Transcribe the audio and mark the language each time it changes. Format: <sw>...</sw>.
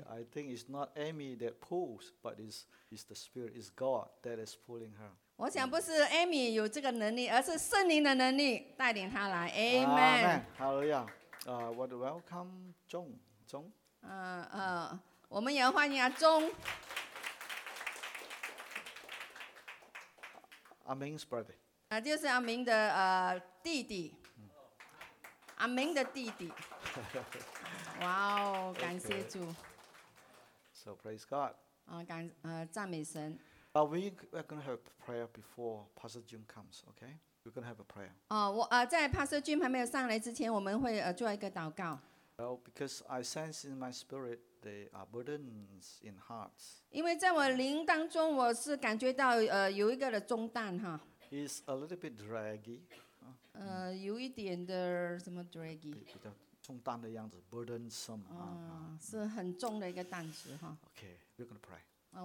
<en>Yeah, I think it's not Amy that pulls, but it's the Spirit, it's God that is pulling her.</en> <zh>我想不是Amy有这个能力， 而是圣灵的能力带领她来。</zh> <en>Amen. Amen. Hallelujah. Well, welcome, Zhong. Zhong?</en> <zh>我们也欢迎Zhong.</zh> <en>Aming's brother.</en> <zh>就是阿明的弟弟。阿明的弟弟。 Wow, 感谢主。</zh> <en>So praise God.</en> <zh>赞美神。</zh> <en>But we're going to have a prayer before Pastor Jim comes, okay? We're going to have a prayer.</en> <zh>在 Pastor Jim 还没有上来之前, 我们会 做一个祷告。</zh> <en>Well, because I sense in my spirit there are burdens in hearts.</en> <zh>因为在我灵当中, 我是感觉到 有一个的重担。</zh> <en>It's a little bit draggy.</en> <zh>有一点的什么draggy 比较重担的样子 burdensome 是很重的一个担子。</zh> <en>Okay, we're going to pray.</en>